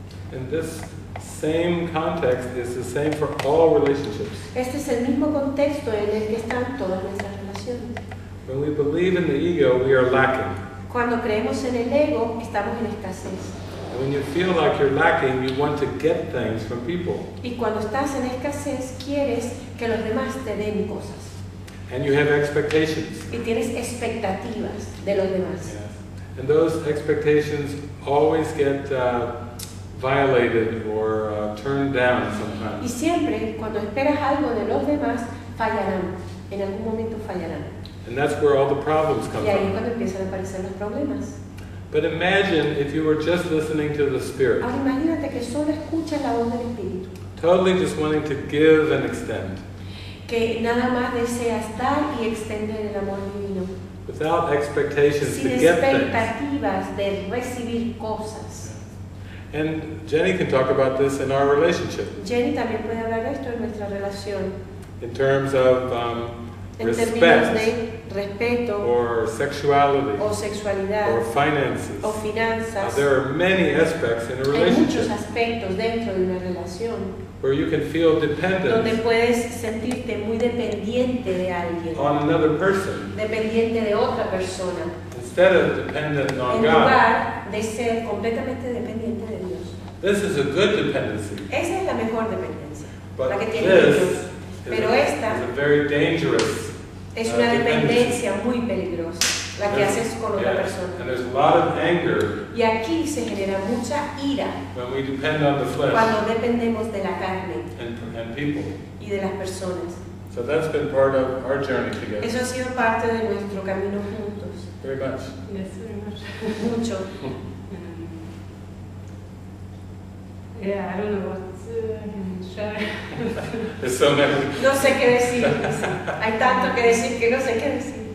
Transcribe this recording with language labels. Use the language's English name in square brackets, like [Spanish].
[English] And this same context is the same for all relationships. [Spanish] Este es el mismo contexto en el que están todas nuestras relaciones. [English] When we believe in the ego, we are lacking. [Spanish] Cuando creemos en el ego, estamos en escasez. [English] When you feel like you're lacking, you want to get things from people. [Spanish] Y cuando estás en escasez, quieres que los demás te den cosas. [English] And you have expectations. [Spanish] Y tienes expectativas de los demás. [English] Yes. And those expectations always get violated or turned down sometimes. [Spanish] Y siempre cuando esperas algo de los demás, fallarán. En algún momento fallarán. [English] And that's where all the problems come [Spanish] y ahí [English] from. [Spanish] Cuando empiezan a aparecer los problemas. [English] But imagine if you were just listening to the Spirit. [Spanish] Ahora imagínate que solo escuchas la voz del Espíritu. [English] Totally just wanting to give and extend. [Spanish] Que nada más deseas dar y extender el amor divino. [English] Without expectations [Spanish] sin [English] to get things. [Spanish] Sin expectativas de recibir cosas. [English] And Jenny can talk about this in our relationship. [Spanish] Jenny también puede hablar de esto en nuestra relación. [English] In terms of respect, [Spanish] términos de respeto, [English] or sexuality, [Spanish] o sexualidad, [English] or finances, [Spanish] o finanzas. [English] There are many aspects in a relationship. [Spanish] Hay muchos aspectos dentro de una relación. [English] Where you can feel dependent. [Spanish] Donde puedes sentirte muy dependiente de alguien. [English] On another person. [Spanish] Dependiente de otra persona. [English] Instead of dependent on [Spanish] en [English] God. [Spanish] En lugar de ser completamente dependiente de Dios. [English] This is a good dependency. [Spanish] Esa es la mejor dependencia. [English] But [Spanish] la que tiene [English] this [Spanish] Dios. Pero esta [English] is a very dangerous, [Spanish] es una dependencia muy peligrosa. La que [English] there's, [Spanish] haces con otra persona. [English] And there's a lot of anger. [Spanish] Y aquí se genera mucha ira. [English] When we depend on the flesh. [Spanish] Cuando dependemos de la carne. [English] And people. [Spanish] Y de las personas. [English] So that's been part of our journey together. [Spanish] Eso ha sido parte de nuestro camino juntos. [English] Very much. Yes, very much. [Spanish] Mucho. [English] Yeah, I don't know what to share. There's so many. [Spanish] No sé qué decir. Hay tanto que decir que no sé qué decir.